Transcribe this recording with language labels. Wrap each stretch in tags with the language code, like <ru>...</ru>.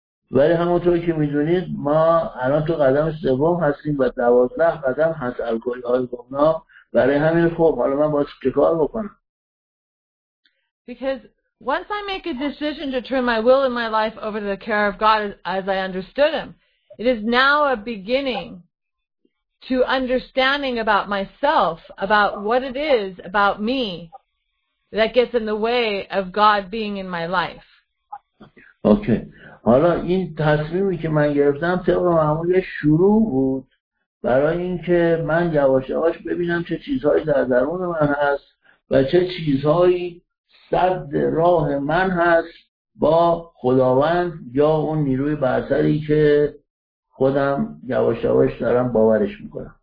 <fa>ولی همونطور که میدونید ما الان تو قدم سوم هستیم و 12 قدم هست الکلی های گمنا. برای همین خوب حالا من باید چه کار بکنم؟</fa> <en>Because once I make a decision to turn my will and my life over to the care of God as I understood him, it is now a beginning to understanding about myself, about what it is about me that gets in the way of God being in my life. Okay.</en> <fa>حالا این تصمیمی که من گرفتم طبق معمول شروع بود برای اینکه من یواش یواش ببینم چه چیزهایی در درون من هست و چه چیزهایی سد راه من هست با خداوند یا اون نیروی برتری که خودم یواش یواش دارم باورش میکنم.</fa>